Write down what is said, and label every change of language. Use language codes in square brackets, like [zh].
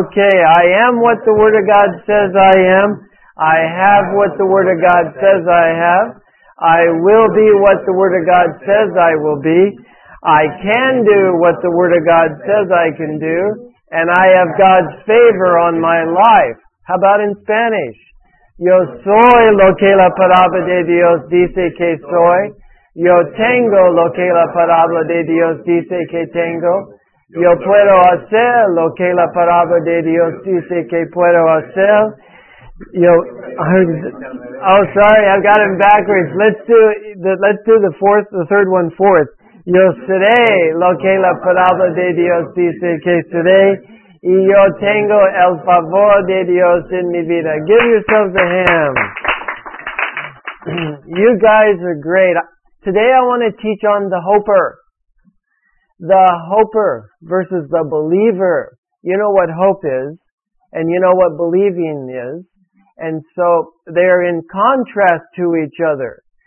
[en] Okay, I am what the Word of God says I am. I have what the Word of God says I have. I will be what the Word of God says I will be. I can do what the Word of God says I can do. And I have God's favor on my life. How about in Spanish? [es] Yo soy lo que la palabra de Dios dice que soy. Yo tengo lo que la palabra de Dios dice que tengo. Yo puedo hacer lo que la palabra de Dios dice que puedo hacer. [en] I've got it backwards. Let's do the third one. [es] Yo seré lo que la palabra de Dios dice que seré. Y yo tengo el favor de Dios en mi vida. [en] Give yourselves a hand. You guys are great. Today I want to teach on the hoper. The hoper versus the believer. You know what hope is, and you know what believing is, and so they are in contrast to each other.